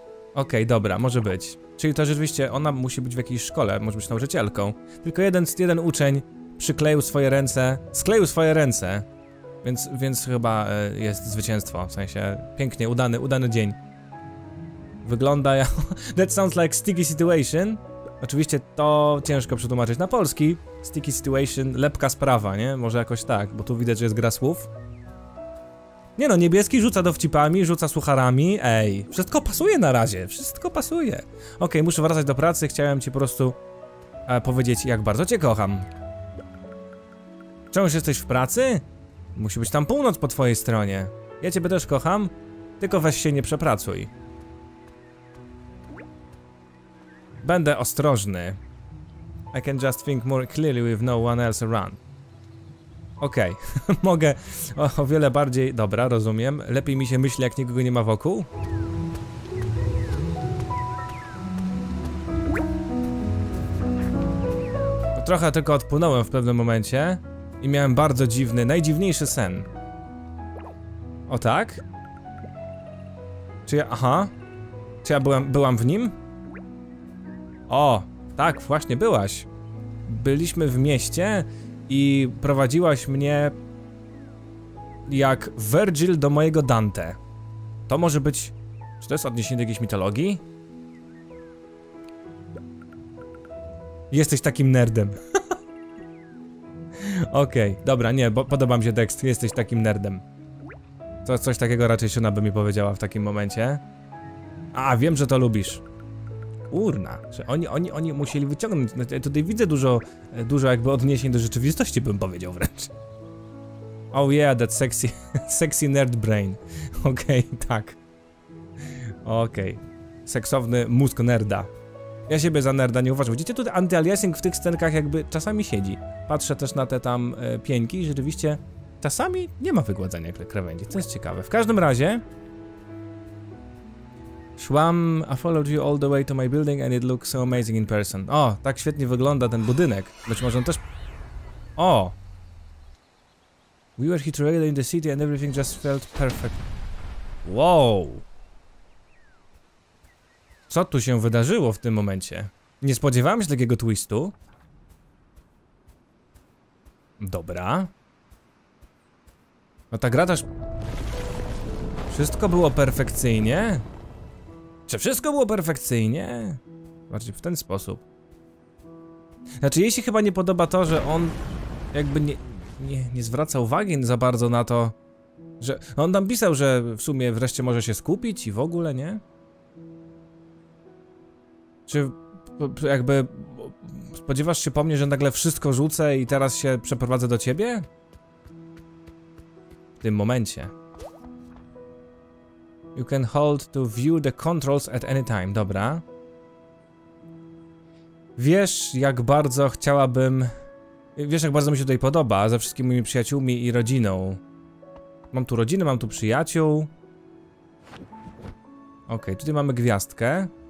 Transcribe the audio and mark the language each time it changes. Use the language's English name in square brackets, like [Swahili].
[Polish] Okej, okay, dobra, może być. Czyli to rzeczywiście ona musi być w jakiejś szkole, może być nauczycielką. Tylko jeden uczeń przykleił swoje ręce, skleił swoje ręce. Więc chyba jest zwycięstwo, w sensie pięknie, udany dzień. Wygląda jak... [English] That sounds like sticky situation. [Polish] Oczywiście to ciężko przetłumaczyć na polski. [English] Sticky situation, [Polish] lepka sprawa, nie? Może jakoś tak, bo tu widać, że jest gra słów. Nie no, niebieski rzuca dowcipami, rzuca sucharami, ej. Wszystko pasuje na razie, wszystko pasuje. Okej, muszę wracać do pracy, chciałem ci po prostu powiedzieć, jak bardzo cię kocham. Czemuż jesteś w pracy? Musi być tam północ po twojej stronie. Ja ciebie też kocham, tylko weź się nie przepracuj. Będę ostrożny. [English] I can just think more clearly with no one else around. [Polish] Okej, okay. Mogę o wiele bardziej... Dobra, rozumiem. Lepiej mi się myśli, jak nikogo nie ma wokół. Trochę tylko odpłynąłem w pewnym momencie i miałem bardzo dziwny, najdziwniejszy sen. O tak? Czy ja... Aha. Czy ja byłam w nim? O, tak, właśnie byłaś. Byliśmy w mieście i prowadziłaś mnie jak Virgil do mojego Dante. To może być... Czy to jest odniesienie do jakiejś mitologii? Jesteś takim nerdem. Okej, okay, dobra, nie, podoba mi się tekst, jesteś takim nerdem. To coś takiego raczej Siona by mi powiedziała w takim momencie. A, wiem, że to lubisz. Urna, że oni musieli wyciągnąć. No, ja tutaj widzę dużo jakby odniesień do rzeczywistości, bym powiedział wręcz. [English] Oh yeah, that sexy nerd brain. [Polish] Okej, okay, tak. Okej. Okay. [English] Seksowny mózg nerda. [Polish] Ja siebie za nerda nie uważam. Widzicie, tutaj anti-aliasing w tych scenkach jakby czasami siedzi. Patrzę też na te tam pieńki i rzeczywiście czasami nie ma wygładzania krawędzi. To jest ciekawe. W każdym razie... Szłam, [English] I followed you all the way to my building and it looks so amazing in person. [Polish] O, tak świetnie wygląda ten budynek. Być może on też... O! [English] We were here together in the city and everything just felt perfect. Wow! [Polish] Co tu się wydarzyło w tym momencie? Nie spodziewałem się takiego twistu. Dobra. No ta gra też... Wszystko było perfekcyjnie? Czy wszystko było perfekcyjnie? Znaczy w ten sposób. Znaczy jej się chyba nie podoba to, że on jakby nie zwraca uwagi za bardzo na to, że... On tam pisał, że w sumie wreszcie może się skupić i w ogóle, nie? Czy jakby spodziewasz się po mnie, że nagle wszystko rzucę i teraz się przeprowadzę do ciebie? W tym momencie. [English] You can hold to view the controls at any time. [Polish] Dobra. Wiesz, jak bardzo chciałabym... Wiesz, jak bardzo mi się tutaj podoba ze wszystkimi moimi przyjaciółmi i rodziną. Mam tu rodzinę, mam tu przyjaciół. Okej, tutaj mamy gwiazdkę.